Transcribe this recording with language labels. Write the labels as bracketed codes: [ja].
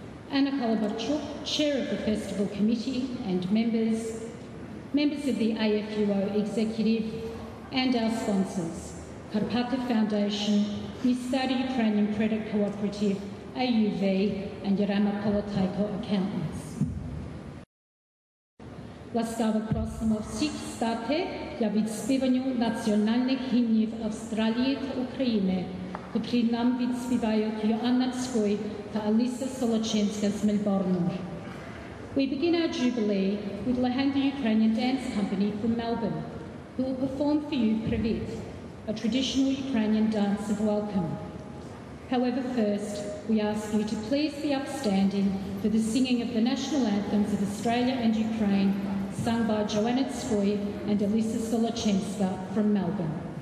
[en] Anna Kolobachuk, Chair of the Festival Committee and members, members of the AFUO Executive, and our sponsors, Karpaty Foundation, Mystery Ukrainian Credit Cooperative, AUV, and Yarama Polotaiko Accountants. [uk] Ласкаво просимо всіх стати для відспіванню національних гімнів Австралії та України, які нам відспівають Йоанна Цвой та Аліса Солоченська з Мельбурну. [en] We begin our jubilee with Lehenda Ukrainian Dance Company from Melbourne, who will perform for you Privit, a traditional Ukrainian dance of welcome. However, first, we ask you to please be upstanding for the singing of the national anthems of Australia and Ukraine, sung by Joanna Tsvoy and Alisa Solochenska from Melbourne.